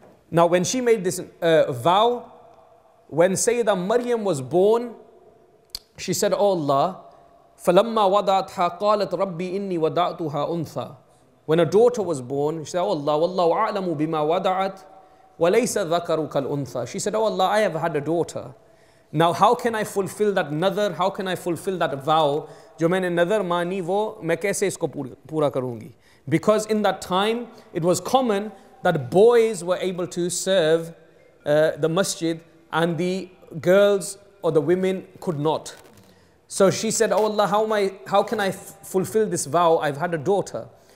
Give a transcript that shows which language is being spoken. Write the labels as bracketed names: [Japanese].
[English] Now, when she made this vow, when Sayyida Maryam was born, she said, oh Allah, [Arabic] فَلَمَّا وَضَعْتْهَا قَالَتْ رَبِّي إِنِّي وَضَعْتُهَا أُنْثَى. [English] When a daughter was born, she said, oh Allah, [Arabic] وَاللَّهُ أَعْلَمُ بِمَا وَضَعَتْ وَلَيْسَ ذَكَرُكَ الْأُنْثَى. [English] She said, oh Allah, I have had a daughter. Now, how can I fulfill that nadhar? How can I fulfill that vow? [Urdu] جو میں نے نذر مانی وہ میں کیسے اس کو پورا کروں گی? [English] Because in that time, it was common that boys were able to serve the masjid, and the girls or the women could not. So she said, "Oh Allah, how can I fulfill this vow? I've had a daughter."